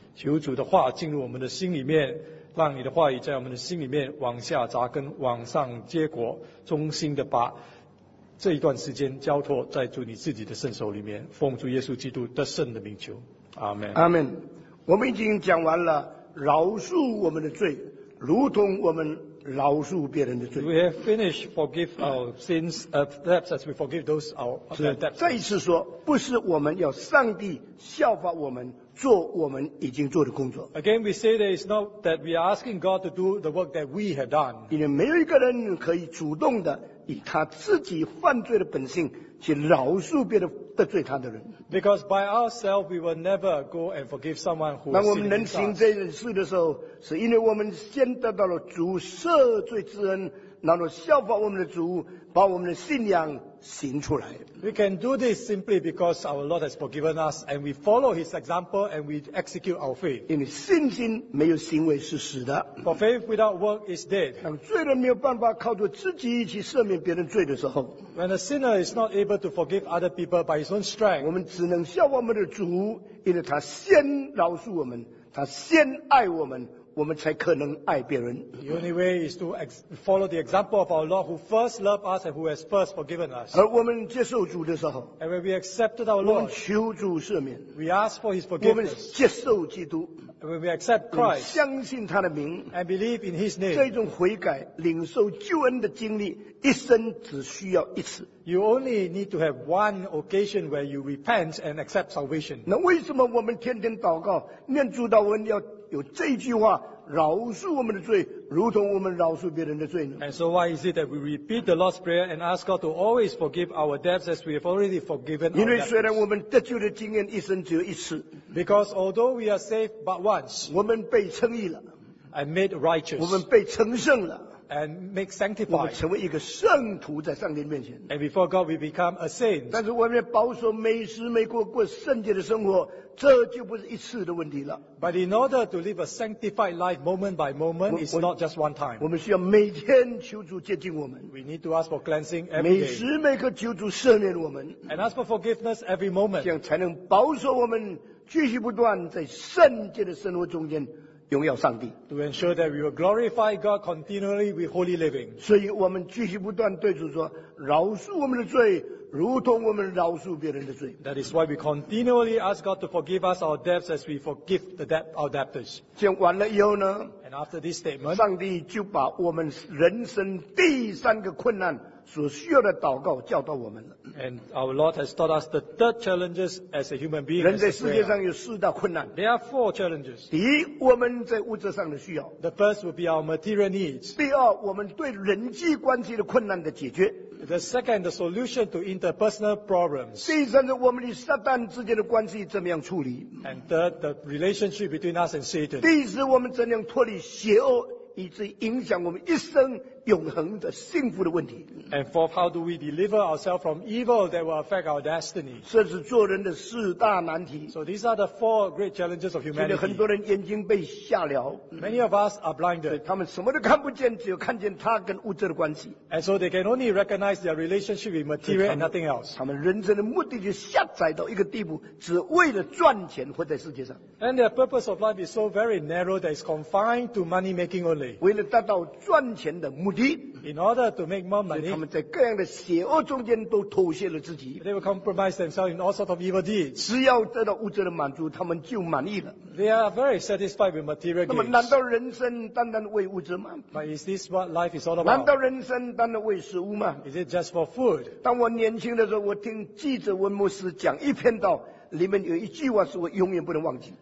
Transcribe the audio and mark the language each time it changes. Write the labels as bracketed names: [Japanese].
[Chinese] 求主的话进入我们的心里面，让你的话语在我们的心里面往下扎根，往上结果，衷心的把这一段时间交托在主你自己的圣手里面，奉主耶稣基督得胜的名求，阿们。阿们。我们已经讲完了饶恕我们的罪，如同我们饶恕别人的罪。 [English] We have finished forgive our sins, debts as we forgive those our debts. [Chinese] 再一次说，不是我们要上帝效法我们做我们已经做的工作。 [English] Again, we say that it's not that we are asking God to do the work that we have done. [Chinese] 因为没有一个人可以主动的以他自己犯罪的本性去饶恕别人得罪他的人。 [English] Because by ourselves we will never go and forgive someone who. [Chinese] 那我们能行这件事的时候，是因为我们先得到了主赦罪之恩，然后效法我们的主，把我们的信仰行出来。 [English] We can do this simply because our Lord has forgiven us and we follow His example and we execute our faith. [Chinese] 因为信心没有行为是死的。 [English] For faith without work is dead. [Chinese] 当罪人没有办法靠着自己去赦免别人罪的时候。 [English] When a sinner is not able to forgive other people by his own strength. [Chinese] 我们只能效法我们的主，因为他先饶恕我们，他先爱我们，我们才可能爱别人。 [English] The only way is to follow the example of our Lord who first loved us and who has first forgiven us. [Chinese] 而我们接受主的时候 [English] ，And when we accepted our Lord, [Chinese] 我们求主赦免 [English] ，We ask for His forgiveness. [Chinese] 我们接受基督 [English] ，And when we accept Christ, [Chinese] 相信他的名 [English] ，And believe in His name. [Chinese] 这种悔改、领受救恩的经历，一生只需要一次。 [English] You only need to have one occasion where you repent and accept salvation. [Chinese] 那为什么我们天天祷告、念主祷文要？有这句话饶恕我们的罪，如同我们饶恕别人的罪呢 [English] ？And so why is it that we repeat the Lord's prayer and ask God to always forgive our debts as we have already forgiven our debts? [Chinese] 因为虽然我们得救的经验一生只有一次 [English] ，Because although we are saved but once， [Chinese] 我们被称义了 [English] ，and made righteous， [Chinese] 我们被称圣了。 [English] And make sanctified. [Chinese] 我们成为一个圣徒在上帝面前。 [English] And before God, we become a saint. [Chinese] 但是我们保守每时每刻过圣洁的生活，这就不是一次的问题了。 [English] But in order to live a sanctified life moment by moment, it's not just one time. [Chinese] 我们需要每天求主接近我们。 [English] We need to ask for cleansing every day. [Chinese] 每时每刻求主赦免我们。 [English] And ask for forgiveness every moment. [Chinese] 这样才能保守我们继续不断在圣洁的生活中间。荣耀上帝 [English] to ensure that we will glorify God continually with holy living. [Chinese] 所以我们继续不断对主说，饶恕我们的罪，如同我们饶恕别人的罪。 [English] That is why we continually ask God to forgive us our debts as we forgive the debt our debtors. [Chinese] 讲完了以后呢 [English] ，And after this statement, [Chinese] 上帝就把我们人生第三个困难所需要的祷告教导我们了。 [English] And our Lord has taught us the third challenges as a human being. [Chinese] 人在世界上有四大困难。 [English] There are four challenges. [Chinese] 第一，我们在物质上的需要。 [English] The first will be our material needs. [Chinese] 第二，我们对人际关系的困难的解决。 [English] The second, the solution to interpersonal problems. [Chinese] 第三，我们与撒旦之间的关系怎么样处理 [English] ？And third, the relationship between us and Satan. [Chinese] 第四，我们怎样脱离邪恶？以致影响我们一生永恒的幸福的问题。 [English] And fourth, how do we deliver ourselves from evil that will affect our destiny? [Chinese] 这是做人的四大难题。 [English] So these are the four great challenges of humanity. [Chinese] 现在很多人眼睛被瞎了。 [English] Many of us are blinded. [Chinese] 他们什么都看不见，只有看见他跟物质的关系。 [English] And so they can only recognize their relationship with material and nothing else. [Chinese] 他们人生的目的就狭窄到一个地步，只为了赚钱活在世界上。 [English] And their purpose of life is so very narrow that it's confined to money making only. [Chinese] 为了达到赚钱的目的 [English] ，in order to make more money， [Chinese] 他们在各样的邪恶中间都妥协了自己。 [English] They will compromise themselves in all sorts of evil deeds。 [Chinese] 只要得到物质的满足，他们就满意了。 [English] They are very satisfied with material gains。 [Chinese] 那么，难道人生单单为物质吗 [English] ？But is this what life is all about？ [Chinese] 难道人生单单为食物吗 [English] ？Is it just for food？ [Chinese] 当我年轻的时候，我听记者温牧师讲一篇道。里面有一句话是我永远不能忘记。